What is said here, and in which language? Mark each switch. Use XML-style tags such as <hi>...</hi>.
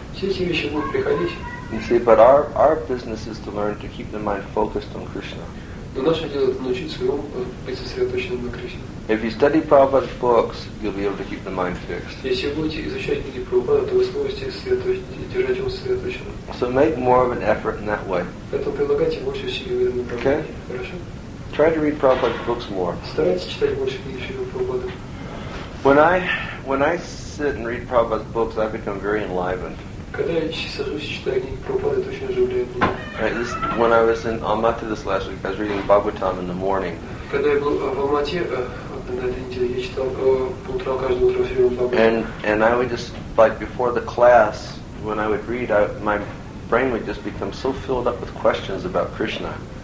<en>You see, but our business is to learn to keep the mind focused on Krishna.</en> <ru>Но наше дело это научить свой ум быть сосредоточенным на Кришне.</ru> <en>If you study Prabhupada's books, you'll be able to keep the mind fixed.</en> <ru>Если вы будете изучать книги Прабхупады, то вы сможете держать ум сосредоточенным.</ru> <en>So make more of an effort in that way.</en> <ru>Прилагайте больше усилий в этом направлении.</ru> <en>Okay.</en> <ru>Хорошо.</ru> <en>Try to read Prabhupada's books more.</en> <ru>Старайтесь читать больше книг Шрилы Прабхупады.</ru> <en>When I sit and read Prabhupada's books, I become very enlivened.</en> <ru>Когда я сажусь и читаю книги Прабхупады, это очень оживляет меня.</ru> <en>Right. When I was in Almaty this last week, I was reading Bhagavatam in the morning.</en> <ru>Когда я был в Алмате на этой неделе, я читал по утрам каждое утро все время Бхагаватам.</ru> <en>And I would just like before the class. When I would read, my brain would just become so filled up with questions about Krishna.</en>